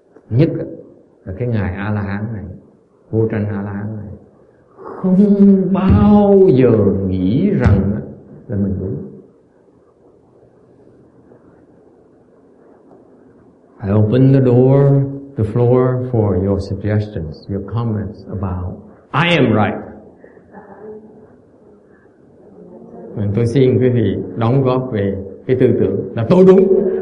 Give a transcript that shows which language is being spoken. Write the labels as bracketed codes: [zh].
[vi] Nhất là cái ngài A-la-hán này, vô tranh A-la-hán này, không bao giờ nghĩ rằng là mình đúng. [en] I open the door, the floor for your suggestions, your comments about I am right. [vi] Mình tôi xin quý vị đóng góp về cái tư tưởng là tôi đúng.